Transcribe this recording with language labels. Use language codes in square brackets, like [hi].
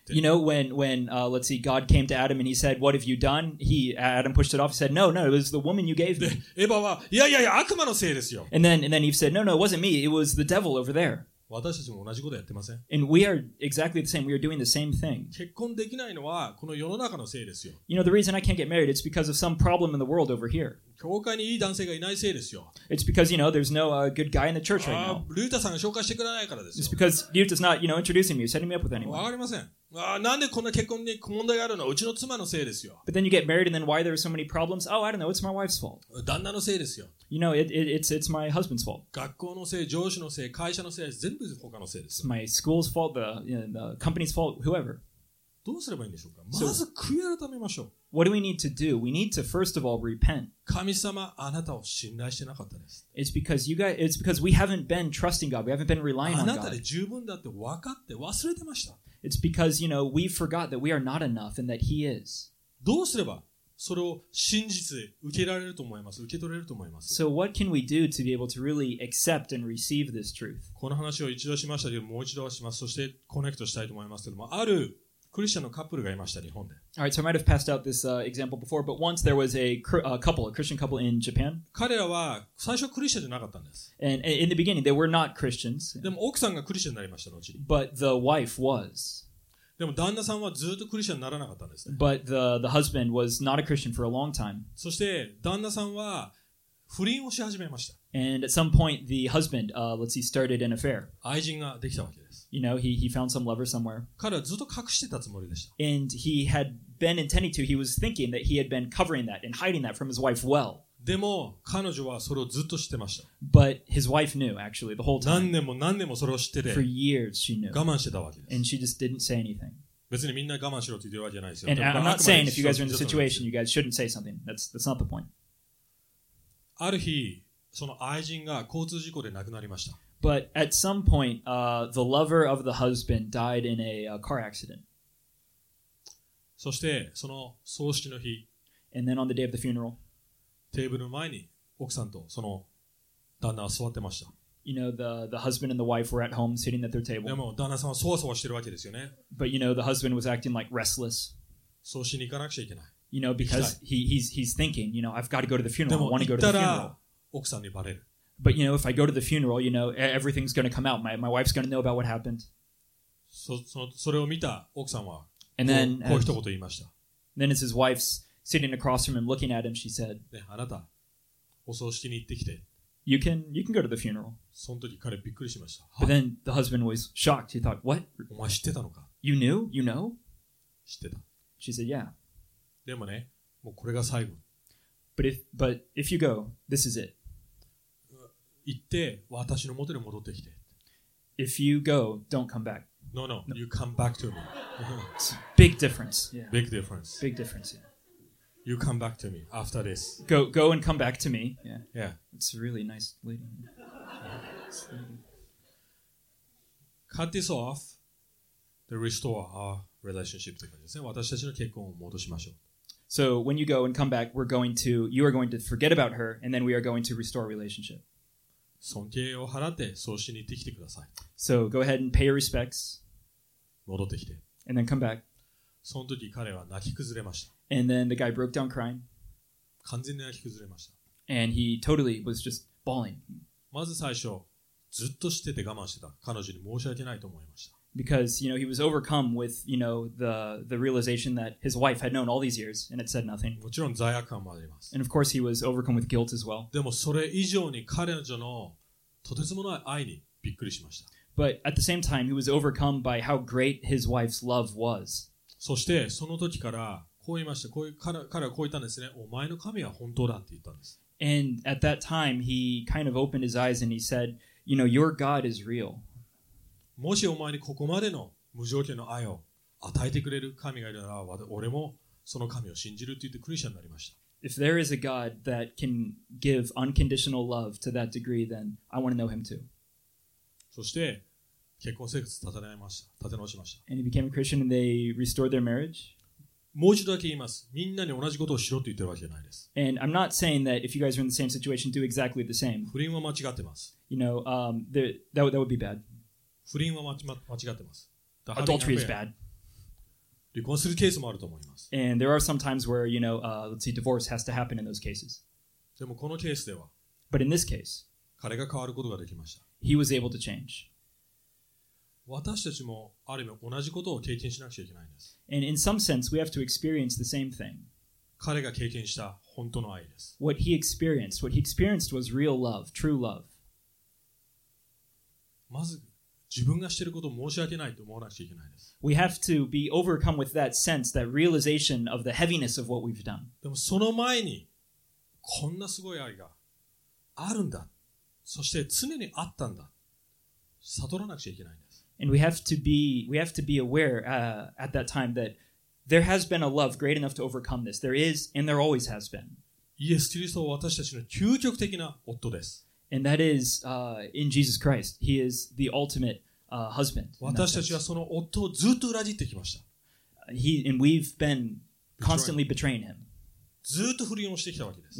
[en] You know, when let's see, God came to Adam and he said, what have you done? Adam pushed it off and said, no, it was the woman you gave me. [ja] エヴァは、いやいやいや、悪魔のせいですよ。 [en] And then Eve said, no, it wasn't me, it was the devil over there. [ja] 私たちも同じことやってません。 [en] And we are exactly the same, we are doing the same thing. [ja] 結婚できないのは、この世の中のせいですよ。 [en] You know, the reason I can't get married, it's because of some problem in the world over here. [ja] 教会にいい男性がいないせいですよ。 [en] It's because, you know, there's no good guy in the church right now. [ja] ルータさんが紹介してくれないからですよ。 [en] It's because Ruta's not, you know, introducing me, setting me up with anyone. [ja] わかりません。なんでこんな結婚に問題があるの?うちの妻のせいですよ。 [en] But then you get married and then why there are so many problems? Oh, I don't know, it's my wife's fault. [ja] 旦那のせいですよ。 [en] You know, it's my husband's fault. [ja] 学校のせい、上司のせい、会社のせい、全部他のせいですよ。 [en] It's my school's fault, the company's fault, whoever. [ja] どうすればいいんでしょうか?まず悔い改めましょう。 [en] What do we need to do? We need to first of all repent. [ja] 神様、あなたを信頼してなかったです。 [en] It's because we haven't been trusting God. We haven't been relying on God. [ja] あなたで十分だって分かって忘れてました。 [en] It's because, you know, we forgot that we are not enough and that he is. [ja] どうすればそれを真実で受けられると思います。受け取れると思います。 [en] So what can we do to be able to really accept and receive this truth? [ja] この話を一度しましたけど、もう一度はします。そしてコネクトしたいと思いますけども、あるクリスチャンのカップルがいました、日本で。 [en] All right, so I might have passed out this example before, but once there was a Christian couple in Japan. [ja] 彼らは最初クリスチャンじゃなかったんです。 [en] And in the beginning, they were not Christians. [ja] でも奥さんがクリスチャンになりました、後に。 [en] But the wife was. [ja] でも旦那さんはずっとクリスチャンにならなかったんですね。 [en] But the husband was not a Christian for a long time. [ja] そして旦那さんは不倫をし始めました。 [en] And at some point, the husband, started an affair. [ja] 愛人ができたわけです。 [en] You know, he found some lover somewhere. [ja] 彼はずっと隠してたつもりでした。 [en] And he had been intending to, he was thinking that he had been covering that and hiding that from his wife well. [ja] でも彼女はそれをずっと知ってました。 [en] But his wife knew, actually, the whole time. [ja] 何年もそれを知ってて。 [en] For years she knew. [ja] 我慢してたわけです。 [en] And she just didn't say anything. [ja] 別にみんな我慢しろって言ってるわけじゃないですよ。 [en] And I'm not saying if you guys are in the situation, you guys shouldn't say something. That's not the point. [ja] ある日、その愛人が交通事故で亡くなりました。 [en] But at some point, the lover of the husband died in a car accident. [ja] そしてその葬式の日、 [en] And then on the day of the funeral, [ja] テーブルの前に奥さんとその旦那は座ってました。 [en] You know, the husband and the wife were at home sitting at their table. [ja] でも旦那さんはそわそわしてるわけですよね。 [en] But you know, the husband was acting like restless. [ja] 葬式に行かなくちゃいけない。 [en] You know, because he's thinking, you know, I've got to go to the funeral. I want to go to the funeral. [ja] でも行ったら奥さんにバレる。 [en] But you know, if I go to the funeral, you know, everything's going to come out. My wife's going to know about what happened. [ja] それを見た奥さんはこう一言言いました。 [en] Then as his wife's sitting across from him looking at him, she said, [ja] あなた、お葬式に行ってきて。 [en] You can go to the funeral. [ja] その時彼びっくりしました。 [en] But then the husband was shocked. He thought, what? [ja] お前知ってたのか? [en] You knew? You know? [ja] 知ってた。 [en] She said, yeah. [ja] でもね、もうこれが最後。 [en] But if you go, this is it. [ja] 行って私の元に戻ってきて。 [en] If you go, don't come back. No, you come back to me. Big difference. Yeah. Big difference. Big difference. Yeah. You come back to me after this. Go and come back to me. Yeah. Yeah. It's a really nice lady. Yeah. Cut this off to restore our relationship. [ja] って感じですね。私たちの結婚を戻しましょう。 [en] So when you go and come back, you are going to forget about her, and then we are going to restore relationship. [ja] 尊敬を払って葬式に行ってきてください。 [en] So go ahead and pay your respects. [ja] 戻ってきて。 [en] And then come back. [ja] その時彼は泣き崩れました。 [en] And then the guy broke down crying. [ja] 完全に泣き崩れました。 [en] And he totally was just bawling. [ja] まず最初、ずっと知ってて我慢してた。彼女に申し訳ないと思いました。 [en] Because, you know, he was overcome with, you know, the realization that his wife had known all these years and had said nothing. [ja] もちろん罪悪感もあります。 [en] And of course he was overcome with guilt as well. [ja] でもそれ以上に彼女のとてつもない愛にびっくりしました。 [en] But at the same time, he was overcome by how great his wife's love was. [ja] そしてその時からこう言いました。こう彼はこう言ったんですね。お前の神は本当だって言ったんです。 [en] And at that time, he kind of opened his eyes and he said, you know, your God is real. [ja] もしお前にここまでの無条件の愛を与えてくれる神がいるなら、俺もその神を信じるって言ってクリスチャンになりました。 [en] If there is a God that can give unconditional love to that degree, then I want to know him too. [ja] そして結婚生活立て直しました。 [en] And he became a Christian and they restored their marriage. [ja] もう一度だけ言います。みんなに同じことをしろと言ってるわけじゃないです。 [en] And I'm not saying that if you guys are in the same situation, do exactly the same. [ja] 不倫は間違ってます。 [en] You know, that would be bad. [ja] 不倫は間違ってます。 [en] Adultery is bad. [ja] 離婚するケースもあると思います。 [en] And there are some times where, you know, let's see, divorce has to happen in those cases. [ja] でもこのケースでは、 [en] But in this case, [ja] 彼が変わることができました。 [en] He was able to change. [ja] 私たちもある意味同じことを経験しなくちゃいけないんです。 [en] And in some sense, we have to experience the same thing. [ja] 彼が経験した本当の愛です。 [en] What he experienced was real love, true love. [ja] まず自分がしていることを申し訳ないと思わなくちゃいけないです。 [en] We have to be overcome with that sense, that realization of the heaviness of what we've done. [ja] でもその前にこんなすごい愛があるんだ。そして常にあったんだ。悟らなくちゃいけないんです。 [en] And we have to be aware at that time that there has been a love great enough to overcome this. There is, and there always has been. [ja] イエス・キリストは私たちの究極的な夫です。 [en] And that is in Jesus Christ. He is the ultimate husband. [ja] 私たちはその夫をずっと裏切ってきました。 [en] And we've been constantly betraying him. [ja] ずっと不倫をしてきたわけです。